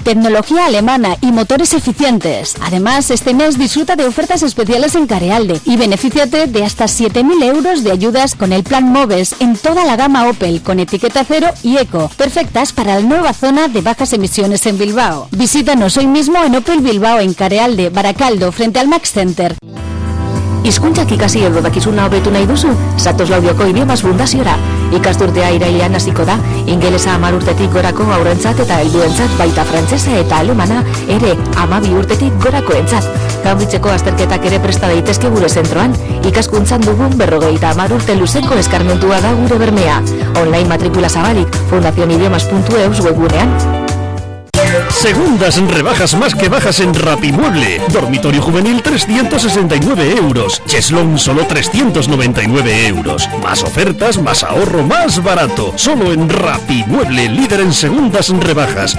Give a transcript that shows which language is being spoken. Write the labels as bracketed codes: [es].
[es] Tecnología alemana y motores eficientes. Además, este mes disfruta de ofertas especiales en Carealde y benefíciate de hasta 7.000 euros de ayudas con el plan Moves en toda la gama Opel con etiqueta cero y eco. Perfectas para la nueva zona de bajas emisiones en Bilbao. Visítanos hoy mismo en Opel Bilbao en Carealde, Baracaldo, frente al Max Center. [eu] Hizkuntzak ikasi edo dakizuna hobetu nahi duzu, Zatoz Laudioko Idiomas Fundaziora. Ikasturtea irailean hasiko da, ingelesa 10 urtetik gorako haurrentzat eta helduentzat, baita frantsesa eta alemana ere 12 urtetik gorakoentzat. Kanbitzeko azterketak ere presta daitezke gure zentroan. Ikaskuntzan dugun 50 urte luzeko eskarmentua da gure bermea. Online matrikula zabalik, fundacionidiomas.eus webunean. [es] Segundas rebajas más que bajas en Rapimueble. Dormitorio juvenil 369 euros. Cheslón solo 399 euros. Más ofertas, más ahorro, más barato. Solo en Rapimueble, líder en segundas rebajas.